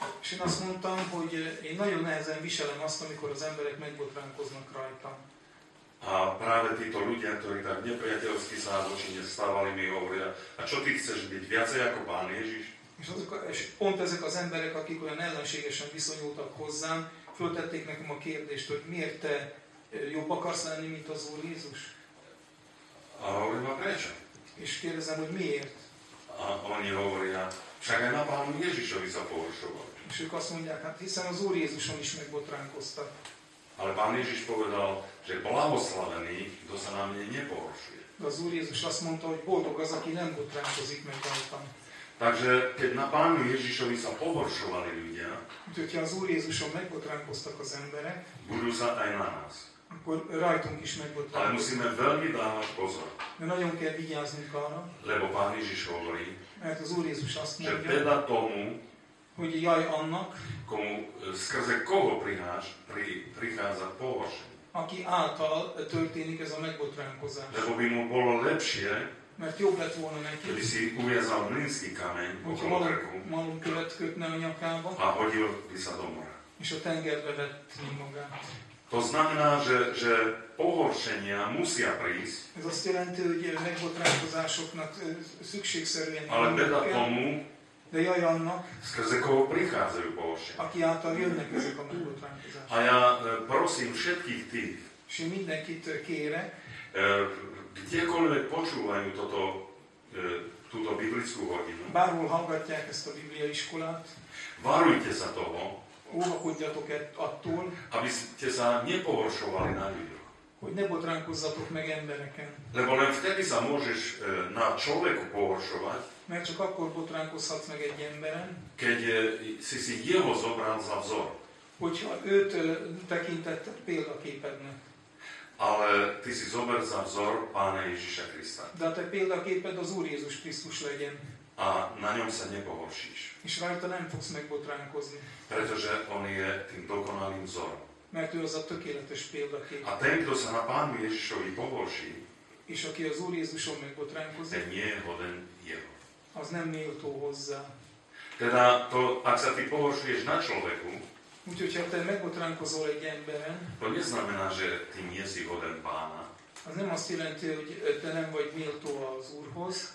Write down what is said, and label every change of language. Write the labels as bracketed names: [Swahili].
[Hungarian] És én azt mondtam, hogy én nagyon nehezen viselem azt, amikor az emberek megbotránkoznak rajtam. [Slovak] A práve títo ľudia, ktorí tak nepriateľsky sa zločine stávali, mi hovoria, a čo ty chceš byť, viacej ako Pán Ježiš? [Hungarian] És azok, és pont ezek az emberek, akik olyan ellenségesen viszonyultak hozzám, föltették nekem a kérdést, hogy miért te jobb akarsz lenni, mint az Úr Jézus? [Slovak] A hovorím, a prečo? [Hungarian] És kérdezem, hogy miért? [Slovak] A oni hovoria, však aj na Pánu Ježišovi sa pohoršoval. [Hungarian] És ők azt mondják, hát hiszen az Úr Jézuson is megbotránkoztak. [Slovak] Ale Pán Ježiš povedal, že blahoslavený, kto sa na mne nepohoršuje. [Hungarian] Az Úr Jézus azt mondta, hogy boldog az, aki nem botránkozik meg rajtam. [Slovak] Takže keď na Pánu Ježišovi sa pohoršovali ľudia, [Hungarian] úgyhogy ha az Úr Jézuson megbotránkoztak az emberek, [Slovak] budú sa aj na nás. [Hungarian] Akkor rajtunk is megbotránkoztak. [Slovak] Ale musíme veľmi dávať pozor. [Hungarian] De nagyon kell vigyáznunk arra. [Slovak] Lebo Pán Ježiš hovorí, [Hungarian] mert az Úr Jézus azt mondja, [Slovak] že teda tomu, [Hungarian] hogy jaj annak, [Slovak] komu, skrze koho prichádza pohoršenie. [Hungarian] Aki által történik ez a megbotránkozás. [Slovak] Lebo by mu bolo lepšie, [Hungarian] mert jobb lett volna neki. [Slovak] Kedy si uviazal mlynský kameň okolo krku. [Hungarian] Malú követ kötne a nyakába. [Slovak] A hodil by sa do mora. [Hungarian] És a tengerbe vetni magát. [Slovak] To znamená, že pohoršenia musia prísť. [Hungarian] Ez azt jelenti, hogy a megbotránkozásoknak szükségszerűen. [Slovak] Ale beda tomu, [Hungarian] de jaj annak, [Slovak] skrze koho prichádzajú pohoršenia. [Hungarian] Aki által jönnek ezek a megbotránkozások. [Slovak] A ja prosím všetkých tých. [Hungarian] És én mindenkit kérek. [Slovak] Kdekoľvek počúvajú toto, túto biblickú hodinu. [Hungarian] Bárhol hallgatják ezt a bibliai školát. [Slovak] Varujte sa toho. [Hungarian] Óvakodjatok attól. [Slovak] Aby ste sa nepohoršovali na ľuďoch. [Hungarian] Hogy nebotránkozzatok meg embereken. [Slovak] Lebo len vtedy sa môžeš na človeku pohoršovať. [Hungarian] Mert csak akkor botránkozhatsz meg egy emberen. [Slovak] Keď si jeho zobral za vzor. [Hungarian] Hogyha őt tekintetted példaképednek. [Slovak] Ale ty si zober za vzor Pána Ježiša Krista. [Hungarian] De a te példaképed az Úr Jézus Krisztus legyen. [Slovak] A na ňom sa nepohoršíš. [Hungarian] És rajta nem fogsz megbotránkozni. [Slovak] Pretože on je tým dokonalým vzorom. [Hungarian] Mert ő az a tökéletes példakép. [Slovak] A ten, kto sa na Pánu Ježišovi pohorší, [Hungarian] és aki az Úr Jézuson megbotránkozni, [Slovak] ten nie je hoden jeho. [Hungarian] Az nem méltó hozzá. [Slovak] Teda to, ak sa ty pohoršuješ na človeku, [Hungarian] úgyhogy ha te megbotránkozol egy emberen, [Slovak] to neznamená, že ty nie si hoden Pána. [Hungarian] Az nem azt jelenti, hogy te nem vagy méltó az Úrhoz.